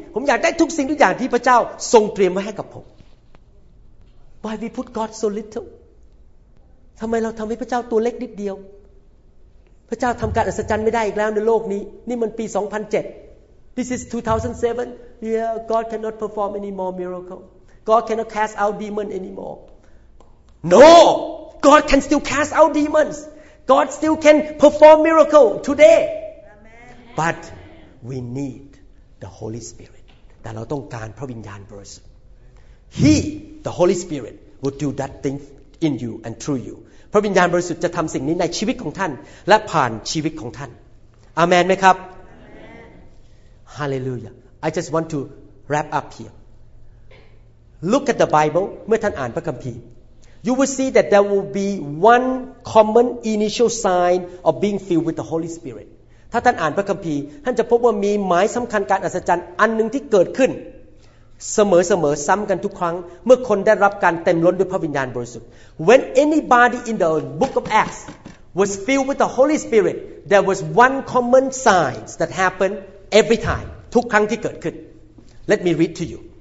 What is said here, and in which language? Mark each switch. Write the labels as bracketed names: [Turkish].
[Thai] ผมอยากได้ทุกสิ่งทุกอย่างที่พระเจ้าทรงเตรียมไว้ให้กับผม [English] Why we put God so little? [Thai] ทำไมเราทำให้พระเจ้าตัวเล็กนิดเดียวพระเจ้าทำการอัศจรรย์ไม่ได้อีกแล้วในโลกนี้นี่มันปี2007 [English] This is 2007. Yeah, God cannot perform any more miracle. God cannot cast out demon anymoreNo! God can still cast out demons. God still can perform miracles today. But we need the Holy Spirit. [Thai] แต่เราต้องการพระวิญญาณบริสุทธิ์ [English] He, the Holy Spirit, will do that thing in you and through you. [Thai] พระวิญญาณบริสุทธิ์จะทำสิ่งนี้ในชีวิตของท่านและผ่านชีวิตของท่าน Amen ไหมครับ Hallelujah. [English] I just want to wrap up here. Look at the Bible. [Thai] เมื่อท่านอ่านพระคัมภีร์ [English] You will see that there will be one common initial sign of being filled with the Holy Spirit. [Thai] ถ้าท่านอ่านพระคัมภีร์ท่านจะพบว่ามีหมายสำคัญการอัศจรรย์อันนึงที่เกิดขึ้นเสมอซ้ำกันทุกครั้งเมื่อคนได้รับการเต็มล้นด้วยพระวิญญาณบริสุทธิ์ [English] When anybody in the book of Acts was filled with the Holy Spirit, there was one common sign that happened every time, [Thai] ทุกครั้งที่เกิดขึ้น [English] Let me read to you.